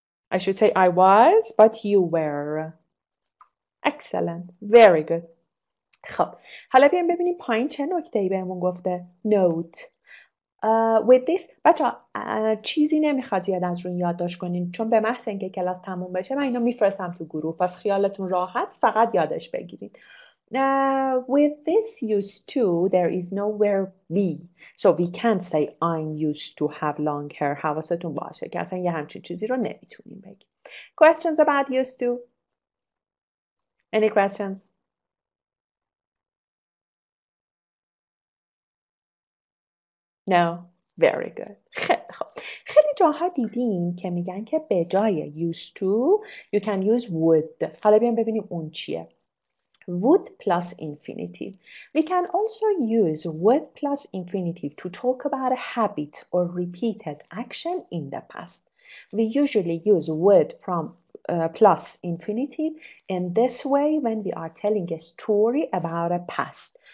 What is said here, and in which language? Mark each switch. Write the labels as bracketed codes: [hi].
[en] I should say I was, but you were. Excellent. Very good. [fa] خب. حالا بیایم ببینیم پایین چه نکته‌ای بهمون گفته. [en] Note. With this, [fa] بچه چیزی نمیخواد زیاد از روی یادداشت کنین، چون به محض اینکه کلاس تموم بشه من اینو میفرستم تو گروه، پس خیالتون راحت، فقط یادش بگیرین. [en] With this used to, there is nowhere we, so we can't say I'm used to have long hair. [fa] حواستون باشه که اصلا یه همچین چیزی رو نمیتونیم بگیم. [en] Questions about used to? Any questions? No, very good. [fa] خیلی خوب. خیلی جاها دیدیم که میگن که به جای used to [en] you can use would. [fa] حالا بیان ببینیم اون چیه. [en] Would plus infinitive. We can also use would plus infinitive to talk about a habit or repeated action in the past. We usually use would from plus infinitive in this way when we are telling a story about a past.